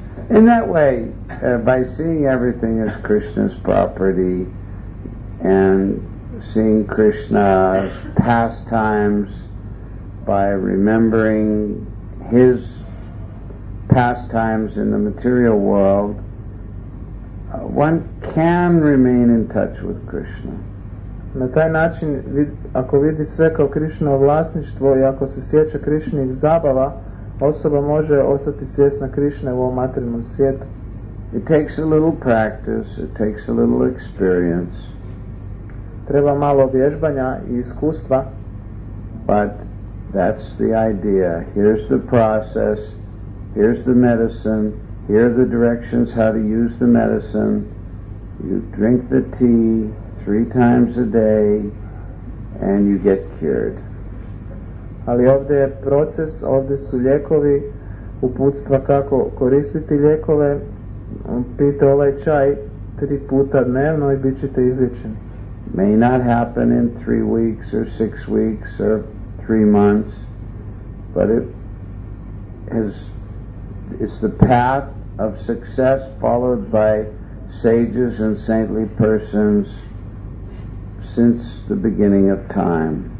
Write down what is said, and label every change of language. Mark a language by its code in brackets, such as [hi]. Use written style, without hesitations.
[en] In that way, by seeing everything as Krishna's property and seeing Krishna's pastimes, by remembering his pastimes in the material world, one can remain in touch with Krishna. [hr] Na taj način, ako vidi sve kao Krishnino vlasništvo i ako se sjeća Krishninih zabava, osoba može ostati svjesna Krishne u ovom materijalnom svijetu. [en] It takes a little practice, it takes a little experience. [hr] Treba malo vježbanja i iskustva. [en] But that's the idea. Here's the process, here's the medicine, here are the directions how to use the medicine. You drink the tea 3 times a day and you get cured. [hr] Ali ovdje je proces, ovdje su lijekovi, uputstva kako koristiti lijekove. Pijte ovaj čaj 3 puta dnevno i bit ćete izliječeni. [en] May not happen in 3 weeks or 6 weeks or 3 months, but it's the path of success followed by sages and saintly persons since the beginning of time.